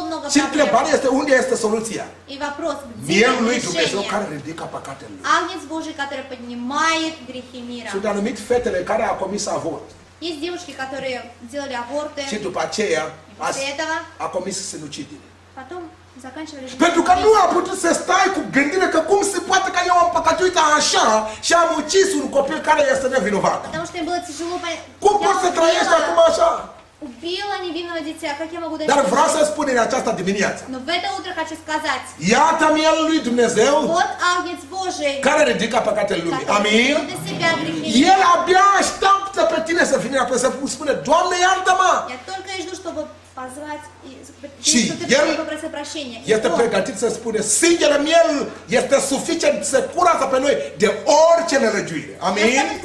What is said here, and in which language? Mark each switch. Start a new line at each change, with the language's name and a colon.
Romanian: Și întrebarea este, unde este soluția? Miel lui Dumnezeu care ridică păcatele lui.
Russian: Agnes Божий,
Romanian: care
Russian: поднимає грехи мира.
Romanian: Sunt anumite fetele care au comis avort.
Russian: Есть девушки, которые делали аборты.
Romanian: Și după aceea, a comis sinucidere.
Russian: Потом заканчивали.
Romanian: Pentru că nu a putut să stai cu gândire că cum se poate că eu am păcătuit așa și am ucis un copil care este nevinovat. Cum poți să trăiești acum așa?
Russian: Убила невинного дитя. Как я могу дать?
Romanian: Dar vreau să spun în această dimineață.
Russian: Но в это утро хочу сказать.
Romanian: Iată mielul lui Dumnezeu.
Russian: Вот агнец Божий.
Romanian: Care ridică păcatele lumii. Amin. El abia așteaptă pe tine să vină apoi să spune: Doamne, iartă-mă.
Russian: Я только жду, чтобы позвать и чтобы попросить прощения.
Romanian: Este pregătit să spune: Sângele miel este suficient să curăță pe noi de orice nelegiuire. Amin.